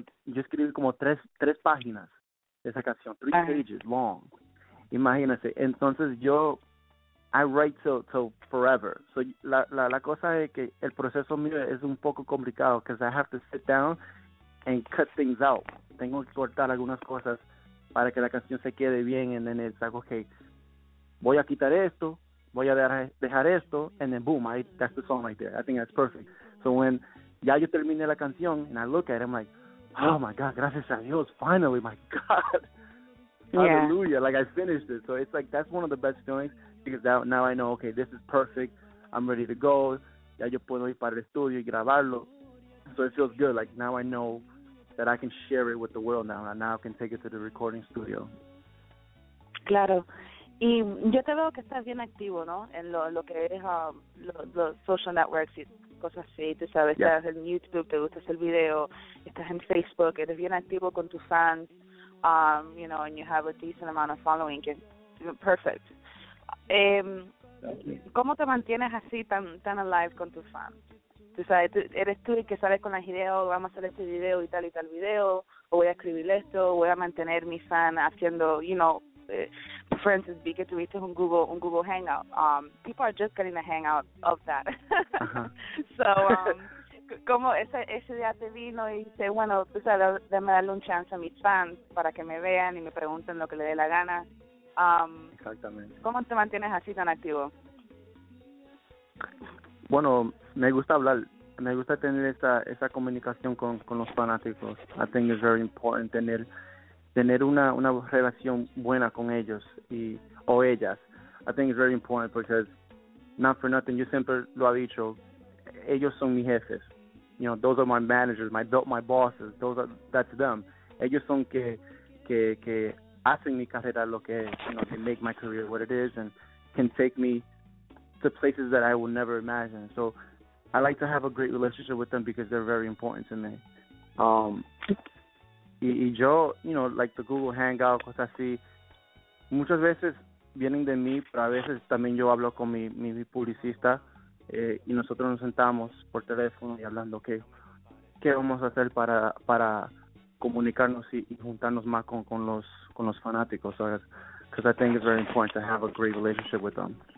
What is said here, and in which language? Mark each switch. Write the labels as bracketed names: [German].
[Spanish] Yo escribí como tres páginas de esa canción, [English] three pages long. [Spanish] Imagínense. Entonces yo. [English] I write till forever. [Spanish] So la cosa es que el proceso mío es un poco complicado. [English] Because I have to sit down and cut things out. [Spanish] Tengo que cortar algunas cosas para que la canción se quede bien, [English] and then it's like, okay, [Spanish] voy a quitar esto, voy a dejar esto, [English] and then boom, that's the song right there. I think that's perfect. So when [Spanish] ya yo terminé la canción, [English] and I look at it, I'm like, oh my God, [Spanish] gracias a Dios, [English] finally, my God, hallelujah, like I finished it. So it's like, that's one of the best feelings, because now I know, okay, this is perfect, I'm ready to go, [Spanish] ya yo puedo ir para el estudio y grabarlo. [English] So it feels good, like now I know that I can share it with the world now, and now I can take it to the recording studio. [Spanish] Claro. Y yo te veo que estás bien activo, ¿no? En lo que es los social networks y cosas así, tú sabes, estás en YouTube, te gusta hacer video, estás en Facebook, eres bien activo con tus fans, [English] and you have a decent amount of following, [Spanish] que es perfect. Gracias. ¿Cómo te mantienes así tan alive con tus fans? Tú sabes, eres tú el que sales con las ideas, vamos a hacer este video y tal video, o voy a escribir esto, voy a mantener mi fan haciendo, Francis, vi que tuviste un Google Hangout. [English] People are just getting a hangout of that. [Spanish] So, como ese día te vino y dice, bueno, tú sabes, déjame darle un chance a mis fans para que me vean y me pregunten lo que le dé la gana. Exactamente. ¿Cómo te mantienes así tan activo? Bueno, me gusta hablar, me gusta tener esa comunicación con los fanáticos. [English] I think it's very important [Spanish] tener una relación buena con ellos y o ellas. [English] I think it's very important because not for nothing, [Spanish] yo siempre lo he dicho, ellos son mis jefes. [English] Those are my managers, my bosses, that's them. [Spanish] Ellos son que hacen mi carrera lo que es, [English] they make my career what it is and can take me to places that I would never imagine. So I like to have a great relationship with them because they're very important to me. [Spanish] Y yo, [English] like the Google Hangout, [Spanish] cosas así, muchas veces vienen de mí, pero a veces también yo hablo con mi publicista y nosotros nos sentamos por teléfono y hablando qué vamos a hacer para comunicarnos y juntarnos más con los fanáticos, [English] because I think it's very important to have a great relationship with them.